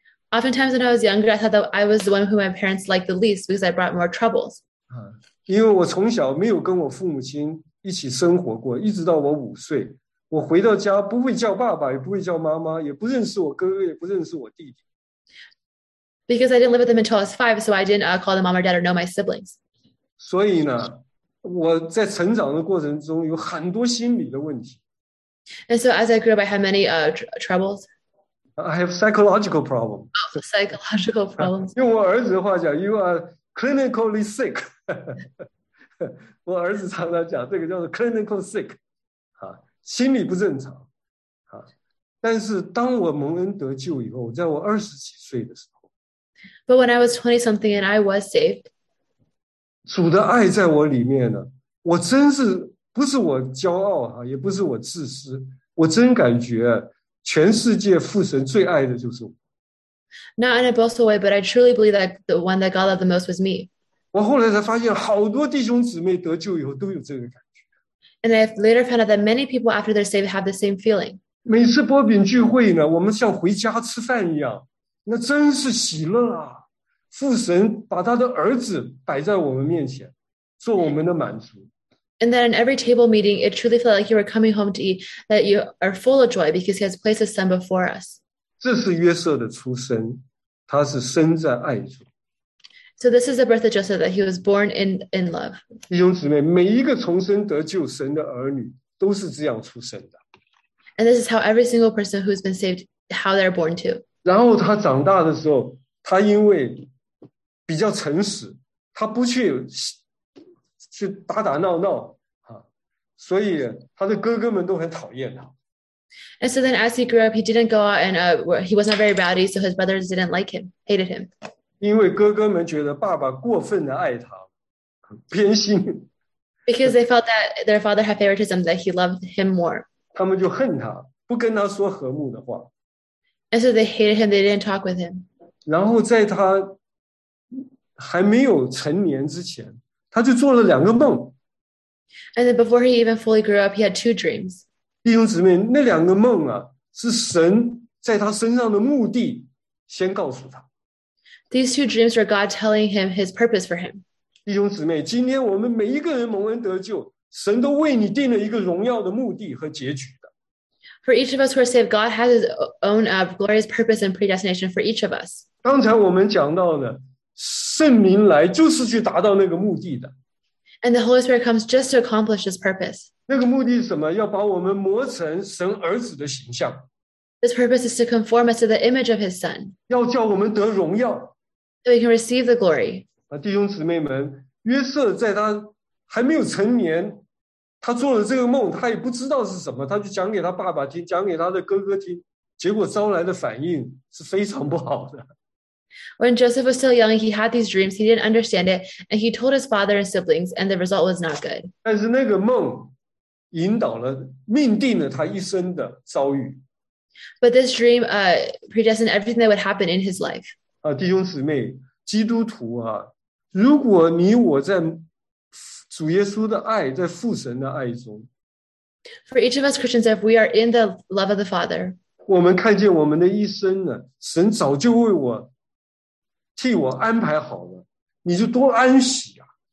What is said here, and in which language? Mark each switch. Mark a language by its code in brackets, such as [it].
[en] Oftentimes, when I was younger, I thought that I was the one who my parents liked the least because I brought more troubles. [zh] 因为我从小没有跟我父母亲一起生活过，一直到我五岁，我回到家不会叫爸爸，也不会叫妈妈，也不认识我哥哥，也不认识我弟弟。 [en] Because I didn't live with them until I was five, so I didn't call them mom or dad or know my siblings. [zh] 所以呢，我在成长的过程中有很多心理的问题。 [en] And so as I grew up, I had many troubles. I have psychological problems. Oh, psychological problems. [zh] 用我儿子的话讲 [en] you are clinically sick. [zh] 我儿子常常讲这个叫做 [en] clinical sick. [zh] 心理不正常。但是当我蒙恩得救以后，在我二十几岁的时候。 [en] But when I was 20-something and I was saved. [zh] 主的爱在我里面呢，我真是不是我骄傲啊，也不是我自私，我真感觉全世界父神最爱的就是我。 [en] Not in a boastful way, but I truly believe that the one that God loved the most was me. [zh] 我后来才发现，好多弟兄姊妹得救以后都有这个感觉。 [en] And I later found out that many people after they're saved have the same feeling. [zh] 每次波饼聚会呢，我们像回家吃饭一样，那真是喜乐啊！父神把他的儿子摆在我们面前，做我们的满足。 [en] And then in every table meeting, it truly felt like you were coming home to eat, that you are full of joy because he has placed his son before us. [zh] 这是约瑟的出生，他是生在爱中。 [en] So this is the birth of Joseph, that he was born in love. [zh] 弟兄姊妹，每一个重生得救神的儿女都是这样出生的。 [en] And this is how every single person who's been saved, how they're born too. [zh] 然后他长大的时候，他因为比较诚实，他不去去打打闹闹啊，所以他的哥哥们都很讨厌他。 [en] And so then, as he grew up, he didn't go out and he was not very rowdy, so his brothers didn't like him, hated him. [zh] 因为哥哥们觉得爸爸过分的爱他，偏心。 [en] Because they felt that their father had favoritism, that he loved him more. [zh] 他们就恨他，不跟他说和睦的话。 [en] And so they hated him. They didn't talk with him. [zh] 然后在他还没有成年之前。他就做了两个梦。 [en] And then before he even fully grew up, he had two dreams. [zh] 弟兄姊妹，那两个梦啊，是神在他身上的目的先告诉他。 [en] These two dreams were God telling him his purpose for him. [zh] 弟兄姊妹，今天我们每一个人蒙恩得救，神都为你定了一个荣耀的目的和结局的。 [en] For each of us who are saved, God has his own glorious purpose and predestination for each of us. [zh] 刚才我们讲到的，圣灵来就是去达到那个目的的。 [en] And the Holy Spirit comes just to accomplish his purpose. [zh] 那个目的是什么？要把我们磨成神儿子的形象。 [en] This purpose is to conform us to the image of his son. [zh] 要叫我们得荣耀。 [en] So we can receive the glory. [zh] 弟兄姊妹们，约瑟在他还没有成年，他做了这个梦，他也不知道是什么，他就讲给他爸爸听，讲给他的哥哥听，结果招来的反应是非常不好的。 [en] When Joseph was still young, he had these dreams. He didn't understand it, and he told his father and siblings, and the result was not good. [zh] 但是那个梦引导了，命定了他一生的遭遇。 [en] But this dream predestined everything that would happen in his life. [zh] 弟兄姊妹，基督徒啊，如果你我在主耶稣的爱，在父神的爱中 [en] ，For each of us Christians, if we are in the love of the Father, [zh] 我们看见我们的一生呢，神早就为我。替我安排好了，你就多安息啊。